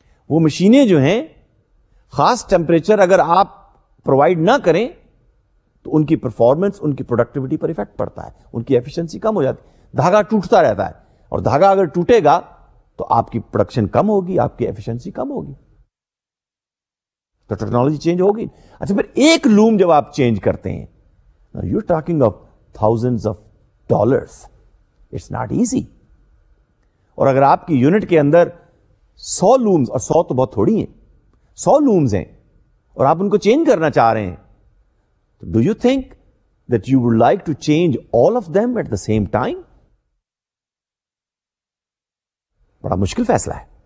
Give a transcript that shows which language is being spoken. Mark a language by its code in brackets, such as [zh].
[ur] وہ مشینیں جو ہیں خاص ٹیمپریچر اگر آپ پرووائڈ نہ کریں تو ان کی پرفارمنس, ان کی پروڈکٹیوٹی پر افیکٹ پڑتا ہے, ان کی ایفیشنسی کم ہو جاتی ہے, دھاگا ٹوٹتا رہتا ہے, اور دھاگا اگر ٹوٹے گا تو آپ کی پروڈکشن کم ہوگی, آپ کی ایفیشنسی کم ہوگی, تو ٹیکنالوجی چینج ہوگی. اچھا پھر ایک لوم جب آپ چینج کرتے ہیں, [en] Now you're talking of thousands of dollars, it's not easy. [ur] اور اگر آپ کی یونٹ کے اندر 100 لومز, اور 100 تو بہت تھوڑی ہیں, 100 لومز ہیں اور آپ ان کو چینج کرنا چاہ رہے ہیں, تو [en] Do you think that you would like to change all of them at the same time? [ur] بڑا مشکل فیصلہ ہے.